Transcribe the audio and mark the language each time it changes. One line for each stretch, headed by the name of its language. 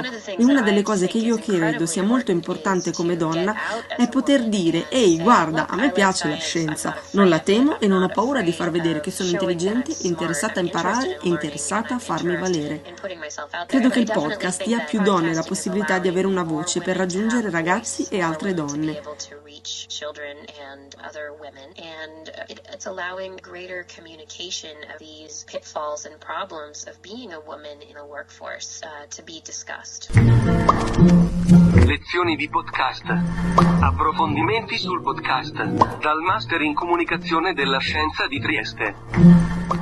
Italian: E una delle cose che io credo sia molto importante come donna è poter dire: ehi, guarda, a me piace la scienza, non la temo e non ho paura di far vedere che sono intelligente, interessata a imparare e interessata a farmi valere. Credo che il podcast dia più donne la possibilità di avere una voce per raggiungere ragazzi e altre donne.
English: Children and other women, and it's allowing greater communication of these pitfalls and problems of being a woman in the workforce to be discussed.
Italian: Lezioni di podcast. Approfondimenti sul podcast dal Master in Comunicazione della Scienza di Trieste.